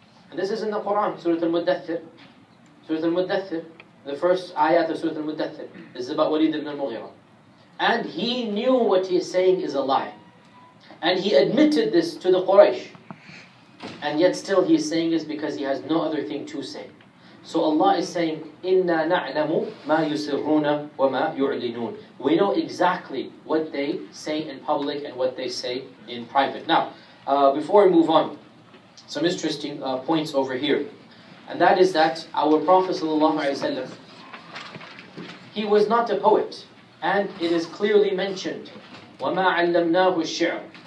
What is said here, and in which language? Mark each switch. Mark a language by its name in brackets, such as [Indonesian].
[English] And this is in the Quran, Surah Al-Muddathir. Surah Al-Muddathir, the first ayat of Surah Al-Muddathir. This is about Walid ibn al-Mughira. And he knew what he is saying is a lie. And he admitted this to the Quraysh. And yet still he is saying this because he has no other thing to say. [Arabic] So Allah is saying, إِنَّا نَعْلَمُ مَا يُسِرُّونَ وَمَا يُعْلِنُونَ. [English] We know exactly what they say in public and what they say in private. Now, before we move on, some interesting points over here. And that is that our Prophet ﷺ, he was not a poet. And it is clearly mentioned, [Arabic] وَمَا عَلَّمْنَاهُ الشِّعْرُ.